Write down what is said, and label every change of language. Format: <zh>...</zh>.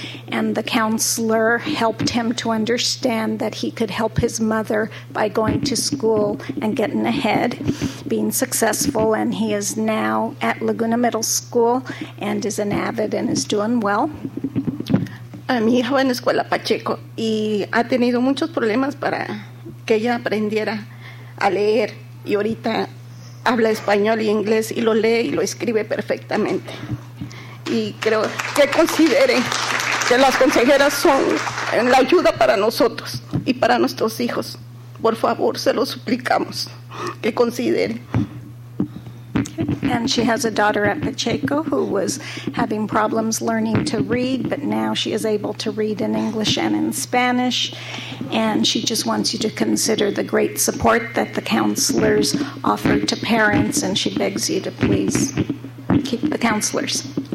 <en>And the counselor helped him to understand that he could help his mother by going to school and getting ahead, being successful. And he is now at Laguna Middle School and is an avid and is doing well.</en> <es>Mi hija va en la escuela Pacheco y ha tenido muchos problemas para que ella aprendiera a leer. Y ahorita habla español y inglés y lo lee y lo escribe perfectamente. Y creo que considere que las consejeras son la ayuda para nosotros y para nuestros hijos. Por favor, se lo suplicamos que considere.</es> <en>And she has a daughter at Pacheco who was having problems learning to read, but now she is able to read in English and in Spanish. And she just wants you to consider the great support that the counselors offer to parents, and she begs you to please keep the counselors.</en>